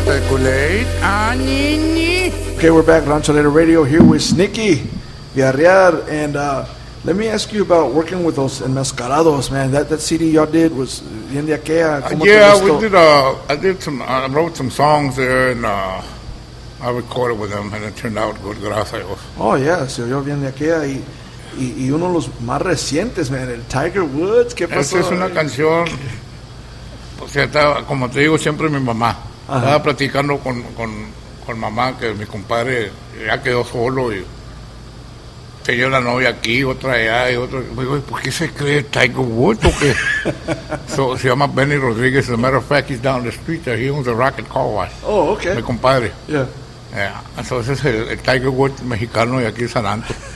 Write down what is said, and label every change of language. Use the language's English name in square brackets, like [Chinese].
[English] Okay, we're back, Rancho Lero Radio, here with Sneaky Villarreal, and let me ask you about working with those Enmascarados, man. That CD y'all did was [Spanish] bien de aquella. [English] I wrote some songs there, and I recorded with them, and it turned out good, gracias. Oh, yeah, [Spanish] se oyó bien de aquella, y uno de los más recientes, man, el Tiger Woods, ¿qué pasó? Esa es una canción, o sea, estaba, como te digo, siempre mi mamá. Ajá. Estaba platicando con mamá, que mi compadre ya quedó solo y tenía una novia aquí, otra allá y otra. Me digo, ¿por qué se cree Tiger Woods o qué? So, se llama Benny Rodriguez. [English] As a matter of fact, he's down the street there. He owns a rocket car wash. Oh, okay. [Spanish] Mi compadre. [English] Yeah. [Spanish] Entonces so, es el Tiger Woods mexicano y aquí en San Anto.